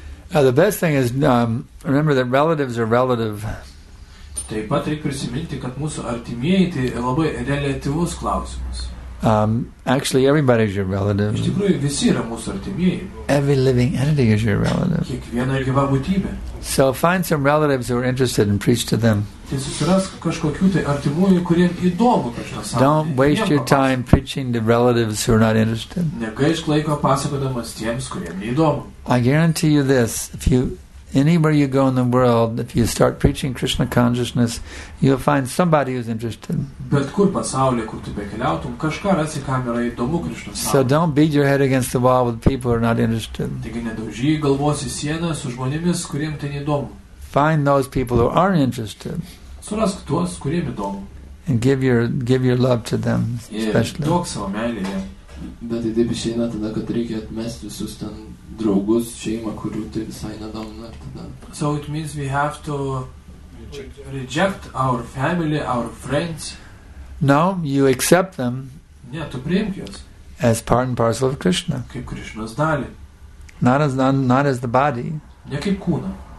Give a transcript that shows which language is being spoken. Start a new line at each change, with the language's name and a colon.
English: The best thing is, remember that relatives are relative.
Lithuanian: Taip pat reikia prisiminti, kad mūsų artimieji tai labai relatyvus klausimas.
English: Actually, everybody is your relative.
Lithuanian: Iš tikrųjų, visi yra mūsų artimieji.
English: Every living entity is your relative.
Lithuanian: Kiekviena gyva būtybė.
English: So find some relatives who are interested and preach to them. Don't waste your time preaching to relatives who are not interested. I guarantee you this, if you anywhere you go in the world, if you start preaching Krishna consciousness, you'll find somebody who's interested. So don't beat your head against the wall with people who are not interested. Find those people who are interested.
Lithuanian: Surask tuos, kuriem įdomu.
English: And give your love to them, especially.
Lithuanian: Duok savo meilį. Bet tai taip išeina tada, kad reikia atmesti visus ten draugus, šeimą, kurių tai visai nedomina.
English: So it means we have to reject our family, our friends. No, you accept them.
Lithuanian: Ne, tu priimk juos.
English: As part and parcel of Krishna.
Lithuanian: Kaip Krishnos dalį.
English: Not as the body.
Lithuanian: Ne kaip kūną.